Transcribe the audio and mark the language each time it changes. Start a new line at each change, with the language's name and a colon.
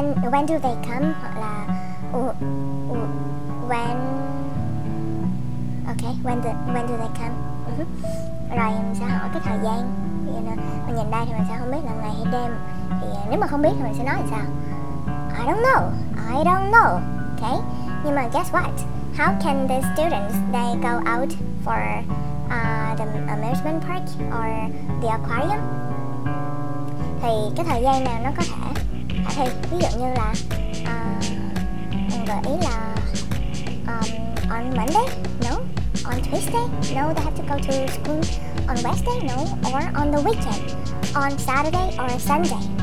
English: When do they come?
Vietnamese: Hoặc là
English: when do they come?
Vietnamese: Rồi mình sẽ hỏi cái thời gian. Thì mình nhìn đây thì mình sẽ không biết là ngày hay đêm. Thì nếu mà không biết thì mình sẽ nói làm sao?
English: I don't know. Okay.
Vietnamese: Nhưng mà
English: guess what? How can the students they go out for the amusement park or the aquarium?
Vietnamese: Thì cái thời gian nào nó có thể? Thì ví dụ như là mình gợi ý là
English: on Monday? No. On Tuesday? No, they have to go to school. On Wednesday? No. Or on the weekend? On Saturday or Sunday?